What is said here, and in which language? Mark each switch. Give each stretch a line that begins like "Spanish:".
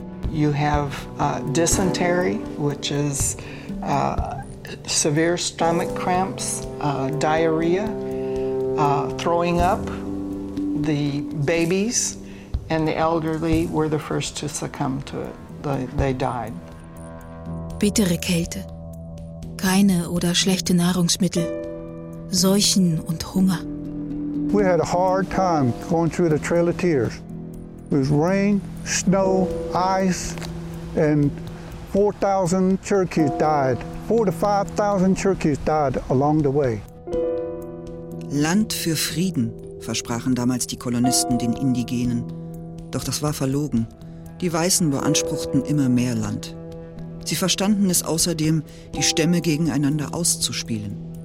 English: You have dysentery, which is severe stomach cramps, diarrhea, throwing up. The babies and the elderly were the first to succumb to it. They died.
German: Bittere Kälte, keine oder schlechte Nahrungsmittel, Seuchen und Hunger.
English: We had a hard time going through the Trail of Tears. It was rain, snow, ice, and 4,000 Cherokees died. 4,000 to 5,000 Cherokees died along the way.
German: Land für Frieden, versprachen damals die Kolonisten den Indigenen. Doch das war verlogen. Die Weißen beanspruchten immer mehr Land. Sie verstanden es außerdem, die Stämme gegeneinander auszuspielen.